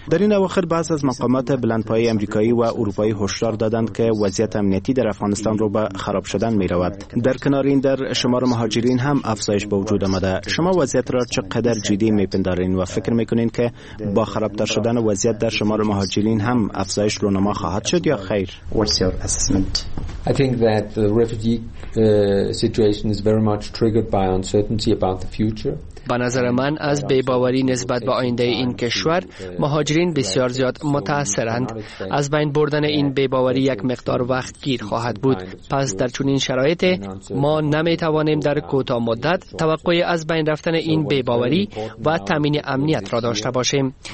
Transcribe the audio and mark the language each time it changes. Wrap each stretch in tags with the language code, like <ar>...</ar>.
<fa>در این اواخر بعض از مقامات بلندپایه آمریکایی و اروپایی هشدار دادند که وضعیت امنیتی در افغانستان رو به خراب شدن می‌رود. در کنار این در شمار مهاجرین هم افزایش به وجود آمده. شما وضعیت را چقدر جدی می‌پندارین و فکر می‌کنین که با خرابتر شدن وضعیت در شمار مهاجرین هم افزایش رونما خواهد شد یا خیر؟</fa> <en>The situation is very much triggered by uncertainty about the future.</en> <fa>به نظر من از بی‌باوری نسبت به آینده این کشور مهاجرین بسیار زیاد متاثرند. از بین بردن این بی‌باوری یک مقدار وقت گیر خواهد بود. پس در چنین شرایطی ما نمی‌توانیم در کوتاه مدت توقع از بین رفتن این بی‌باوری و تامین امنیت را داشته باشیم.</fa>